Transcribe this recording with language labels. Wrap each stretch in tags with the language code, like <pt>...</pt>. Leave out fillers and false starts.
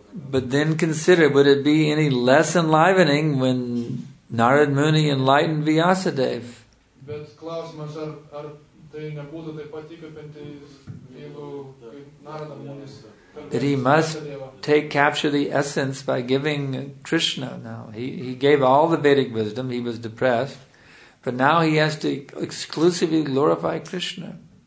<en>But then consider, would it be any less enlivening when Narad Muni enlightened Vyasadeva?</en> <lt>But klausimas, ar tai nebūtų taip pat įkvepintis, jeigu Narada Munis.</lt> <en>That he must capture the essence by giving Krishna now. He gave all the Vedic wisdom, he was depressed, but now he has to exclusively glorify Krishna.</en>